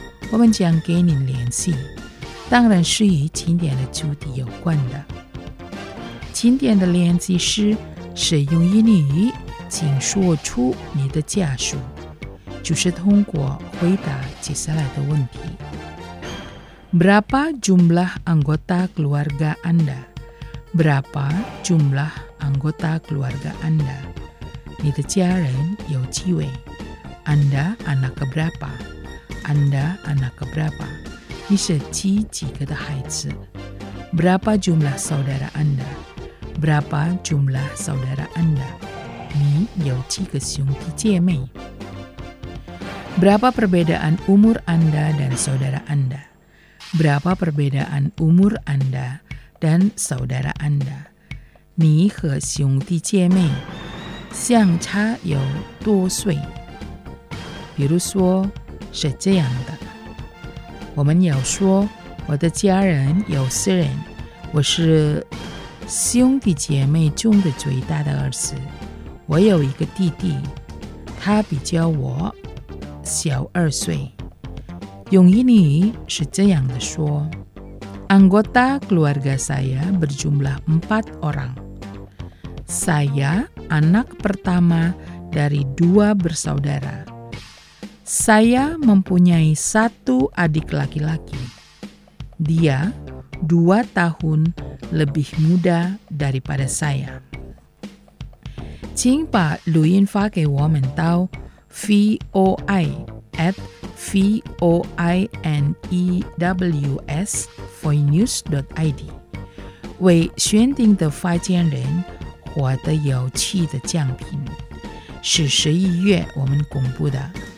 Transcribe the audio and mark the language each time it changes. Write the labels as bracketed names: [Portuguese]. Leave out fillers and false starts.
[Chinese] 我们将跟您联系，当然是与今天的主题有关的。今天的练习诗是用英语请说出你的家属，就是通过回答接下来的问题。 [Indonesian] Berapa jumlah anggota keluarga Anda? Berapa jumlah anggota keluarga Anda? [Chinese] 你的家人有几位？ [Indonesian] Anda anak keberapa? Anda anak keberapa? [Chinese] 你是几几个的孩子？ [Indonesian] Berapa jumlah saudara Anda? Berapa jumlah saudara Anda? [Chinese] 你有几个兄弟姐妹？ [Indonesian] Berapa perbedaan umur Anda dan saudara Anda? Berapa perbedaan umur Anda dan saudara Anda? [Chinese] 你和兄弟姐妹相差有多岁？比如说是这样的，我们要说我的家人有四人，我是兄弟姐妹中的最大的儿子，我有一个弟弟，他比较我小二岁。用英语是这样的说： [Indonesian] Anggota keluarga saya berjumlah 4 orang. Saya anak pertama dari 2 bersaudara. Saya mempunyai satu adik laki-laki. Dia 2 tahun lebih muda daripada saya. [Chinese] 请把录音发给我们到 voi@voinews.id 为选定的发件人获得有趣的奖品，是11月我们公布的。